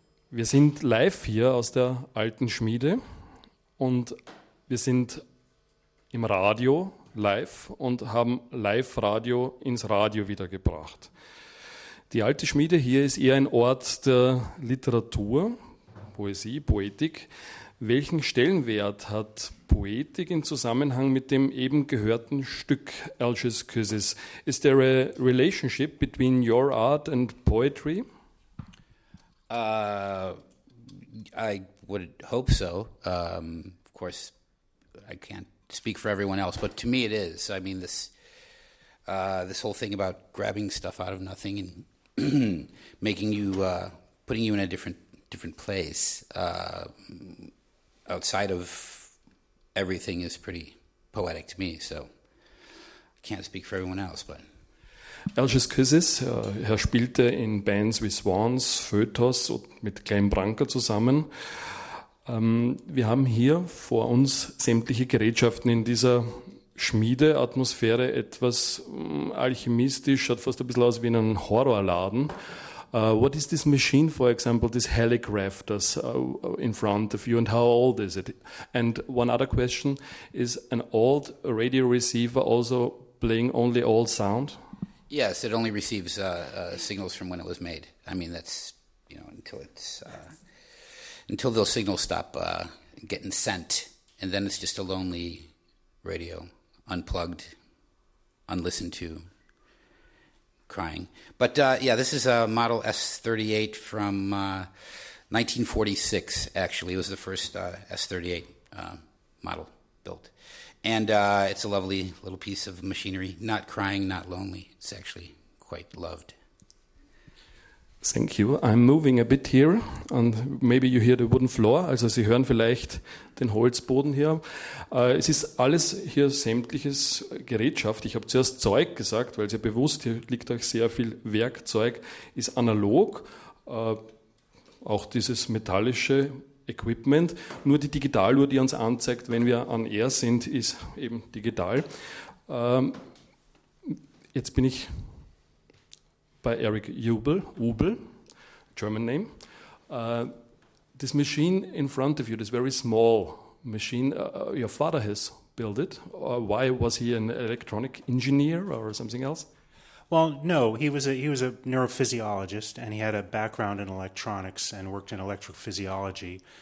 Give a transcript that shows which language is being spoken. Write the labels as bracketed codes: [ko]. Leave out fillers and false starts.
[de] Wir sind live hier aus der alten Schmiede und wir sind im Radio live und haben Live-Radio ins Radio wiedergebracht. Die alte Schmiede hier ist eher ein Ort der Literatur, Poesie, Poetik. Welchen Stellenwert hat Poetik im Zusammenhang mit dem eben gehörten Stück Elsie's Kisses? [en] Is there a relationship between your art and poetry? I would hope so. Of course, I can't speak for everyone else, but to me it is. I mean, this whole thing about grabbing stuff out of nothing and making you, putting you in a different place outside of everything is pretty poetic to me, so I can't speak for everyone else, but... [de] Elsie's Kisses, er spielte in Bands wie Swans, Fötos und mit Glenn Branca zusammen. Wir haben hier vor uns sämtliche Gerätschaften in dieser Schmiedeatmosphäre, etwas alchemistisch, schaut fast ein bisschen aus wie in einem Horrorladen. [en] What is this machine, for example, this Helic Rafters in front of you, and how old is it? And one other question, is an old radio receiver also playing only old sound? Yes, it only receives signals from when it was made. I mean, that's, you know, until it's until those signals stop getting sent, and then it's just a lonely radio, unplugged, unlistened to, crying. But yeah, this is a Model S38 from 1946. Actually, it was the first S38 model built. And it's a lovely little piece of machinery. Not crying, not lonely. It's actually quite loved. Thank you. I'm moving a bit here. And maybe you hear the wooden floor. [de] Also Sie hören vielleicht den Holzboden hier. Es ist alles hier sämtliches Gerätschaft. Ich habe zuerst Zeug gesagt, weil es ja bewusst, hier liegt auch sehr viel Werkzeug, ist analog. Auch dieses metallische Equipment. Nur die Digitaluhr, die uns anzeigt, wenn wir on air sind, ist eben digital. Jetzt bin ich bei Eric Ubel, [en] German name. This machine in front of you, this very small machine, your father has built it. Why was he an electronic engineer or something else? Well, no, he was a neurophysiologist, and he had a background in electronics and worked in electric physiology.